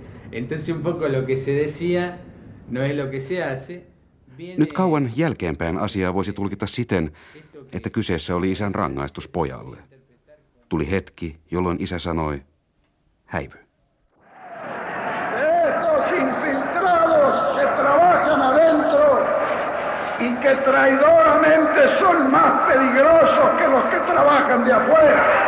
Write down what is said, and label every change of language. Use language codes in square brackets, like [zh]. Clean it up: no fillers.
[es] Entonces un poco lo que se decía no es lo que se hace. [fi] Nyt kauan jälkeenpäin asiaa voisi tulkita siten, että kyseessä oli isän rangaistus pojalle. Tuli hetki, jolloin isä sanoi: häivy. [es] Estos infiltrados que trabajan adentro y que traidoramente son más peligrosos que los que trabajan de afuera.